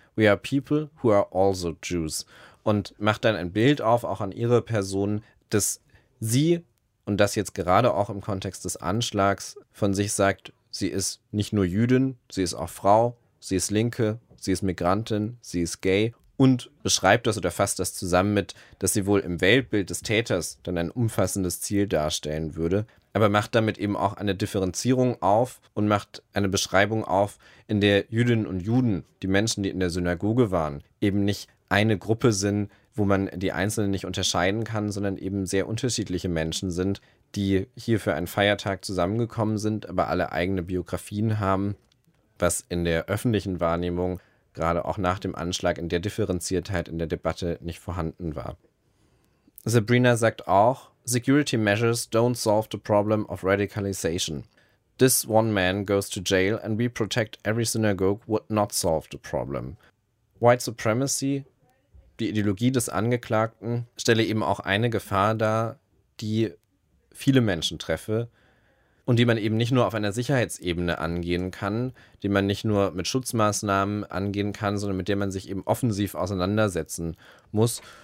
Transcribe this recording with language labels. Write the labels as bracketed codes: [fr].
[en] We are people who are also Jews." [de] Und macht dann ein Bild auf, auch an ihre Person, dass sie, und das jetzt gerade auch im Kontext des Anschlags, von sich sagt, sie ist nicht nur Jüdin, sie ist auch Frau, sie ist Linke, sie ist Migrantin, sie ist gay. Und beschreibt das oder fasst das zusammen mit, dass sie wohl im Weltbild des Täters dann ein umfassendes Ziel darstellen würde. Aber macht damit eben auch eine Differenzierung auf und macht eine Beschreibung auf, in der Jüdinnen und Juden, die Menschen, die in der Synagoge waren, eben nicht eine Gruppe sind, wo man die Einzelnen nicht unterscheiden kann, sondern eben sehr unterschiedliche Menschen sind, die hier für einen Feiertag zusammengekommen sind, aber alle eigene Biografien haben, was in der öffentlichen Wahrnehmung, gerade auch nach dem Anschlag, in der Differenziertheit in der Debatte nicht vorhanden war. Sabrina sagt auch, [en] "Security measures don't solve the problem of radicalization. This one man goes to jail and we protect every synagogue would not solve the problem." [de] White Supremacy, die Ideologie des Angeklagten, stelle eben auch eine Gefahr dar, die viele Menschen treffe und die man eben nicht nur auf einer Sicherheitsebene angehen kann, die man nicht nur mit Schutzmaßnahmen angehen kann, sondern mit der man sich eben offensiv auseinandersetzen muss.